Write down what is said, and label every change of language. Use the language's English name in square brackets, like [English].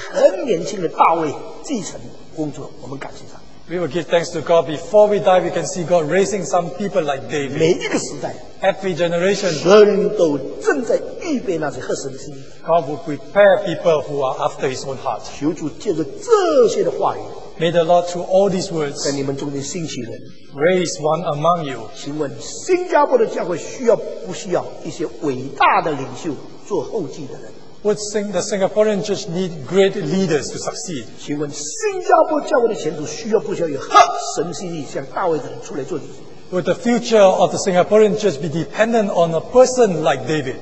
[Chinese] 如果我们没有死以前看见神兴起一件很年轻的大卫继承工作，我们感谢。 [English] We will give thanks to God before we die. We can see God raising some people like David. [Chinese] 每一个时代, [English] every generation, [Chinese] 神都正在预备那些合神的心, [English] God will prepare people who are after his own heart. [Chinese] 求主借着这些的话语, [English] may the Lord, through all these words, [Chinese] 在你们中间兴起人, [English] raise one among you. [Chinese] 请问新加坡的教会需要不需要一些伟大的领袖做后继的人? [English] Would the Singaporean church need great leaders to succeed? [Chinese] 请问新加坡教会的前途需要不需要有合神心意像大卫的人出来做领袖? [English] Would the future of the Singaporean church be dependent on a person like David?